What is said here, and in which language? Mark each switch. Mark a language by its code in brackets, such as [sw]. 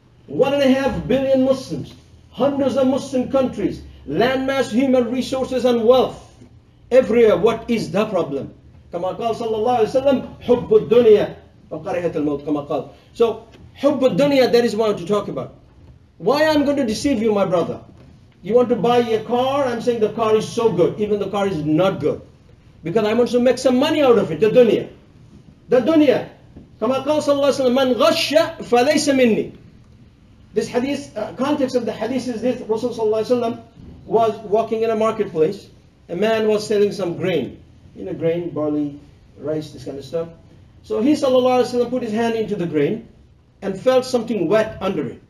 [en] 1.5 billion Muslims, hundreds of Muslim countries, landmass, human resources and wealth, everywhere. What is the problem? [ar] Kama qala sallallahu alayhi wa sallam, hubbu dunya وكرهت الموت كما قال. [en] So حب الدنيا, that is what I want to talk about. Why I'm going to deceive you, my brother? You want to buy a car? I'm saying the car is so good, even the car is not good, because I want to make some money out of it. The dunya. [ar] كما قال صلى الله عليه وسلم من غش فليس مني. [en] This hadith, context of the hadith is this: Rasul صلى الله عليه وسلم was walking in a marketplace. A man was selling some grain, you know, grain, barley, rice, this kind of stuff. So he صلى الله عليه وسلم put his hand into the grain and felt something wet under it.